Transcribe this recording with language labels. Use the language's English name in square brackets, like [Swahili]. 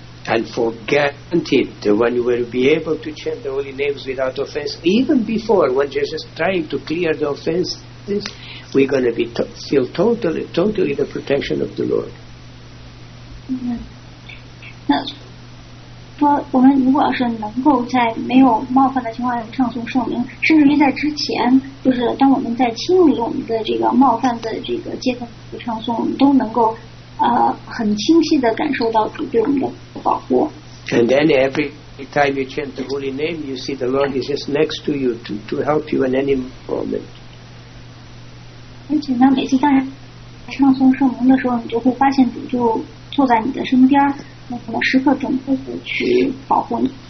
[English] and for granted, one will be able to chant the holy names without offense, even before when you're just trying to clear the offenses, we're going to feel totally the protection of the Lord. [Chinese] 嗯，那说我们如果要是能够在没有冒犯的情况下唱诵圣名，甚至于在之前，就是当我们在清理我们的这个冒犯的这个阶段的唱诵，我们都能够很清晰的感受到主对我们的保护。 [English] And then every time you chant the holy name, you see the Lord is just next to you to help you in any moment. [Chinese] 而且呢，每次在唱诵圣名的时候，你就会发现主就。坐在你的身边，那可能时刻准备着去保护你。